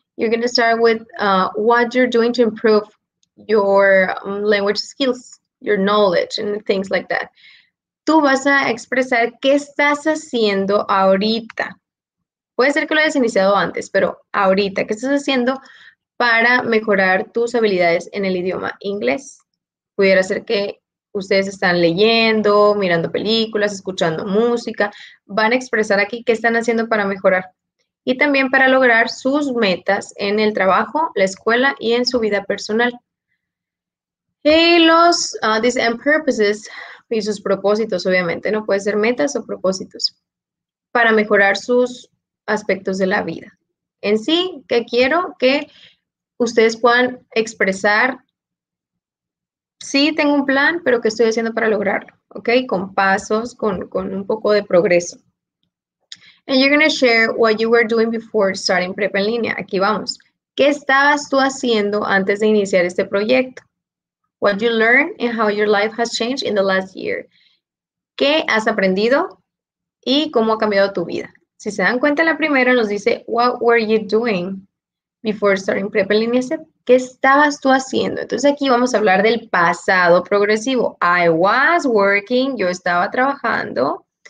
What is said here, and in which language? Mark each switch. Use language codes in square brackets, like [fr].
[en] You're going to start with what you're doing to improve your language skills, your knowledge, and things like that. [es] Tú vas a expresar qué estás haciendo ahorita. Puede ser que lo hayas iniciado antes, pero ahorita, ¿qué estás haciendo para mejorar tus habilidades en el idioma inglés? Pudiera ser que ustedes están leyendo, mirando películas, escuchando música. Van a expresar aquí qué están haciendo para mejorar. Y también para lograr sus metas en el trabajo, la escuela y en su vida personal. Y los, [en] these end purposes, [es] y sus propósitos, obviamente, ¿no? Puede ser metas o propósitos para mejorar sus aspectos de la vida. En sí, ¿qué quiero? Que ustedes puedan expresar. Sí, tengo un plan, pero ¿qué estoy haciendo para lograrlo? ¿Ok? Con pasos, con un poco de progreso. [en] And you're going to share what you were doing before starting Prep en Línea. [es] Aquí vamos. ¿Qué estabas tú haciendo antes de iniciar este proyecto? [en] What you learned and how your life has changed in the last year. [es] ¿Qué has aprendido y cómo ha cambiado tu vida? Si se dan cuenta, la primera nos dice, [en] what were you doing before starting Prep en Línea? [es] ¿Qué estabas tú haciendo? Entonces aquí vamos a hablar del pasado progresivo. [en] I was working, [es] yo estaba trabajando.